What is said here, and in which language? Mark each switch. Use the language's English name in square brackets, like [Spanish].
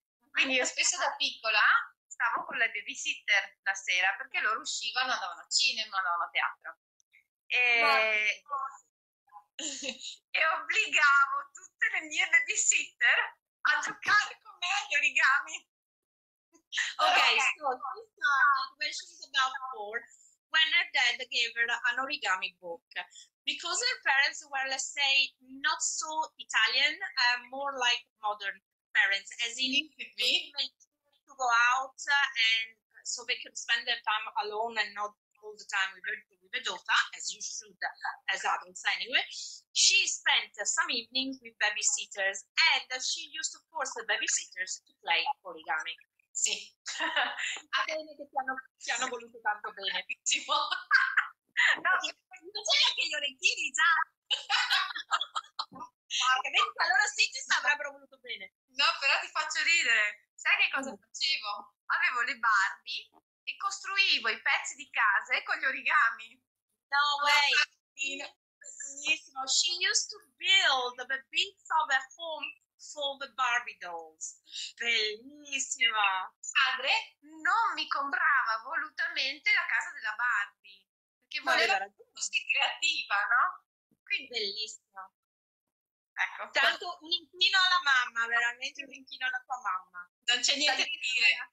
[Italian] Quindi io spesso da piccola stavo con le babysitter la sera, perché loro uscivano, andavano a cinema, andavano a teatro. E obbligavo tutte le mie babysitter a giocare con me agli origami. [English] Okay, so she started when she was about 4, when her dad gave her an origami book. Because her parents were, let's say, not so Italian, more like modern parents, as in me, to go out and so they could spend their time alone and not all the time with her daughter, as you should as adults anyway. She spent some evenings with babysitters and she used to force the babysitters to play origami. [Italian] Sì, va bene che ti hanno voluto tanto bene. Tipo, no, c'è anche gli orecchini già. Allora sì, ci avrebbero voluto bene. No, però ti faccio ridere. Sai che cosa facevo? Avevo le Barbie e costruivo i pezzi di casa con gli origami. [English] No way. [Italian] Bellissimo. [English] She used to build the bits of a home for the Barbie dolls. [Italian] Bellissima. Padre non mi comprava volutamente la casa della Barbie perché voleva essere creativa, no? Quindi bellissima. Ecco. Tanto un inchino alla mamma, veramente un inchino alla tua mamma. Non c'è niente da dire.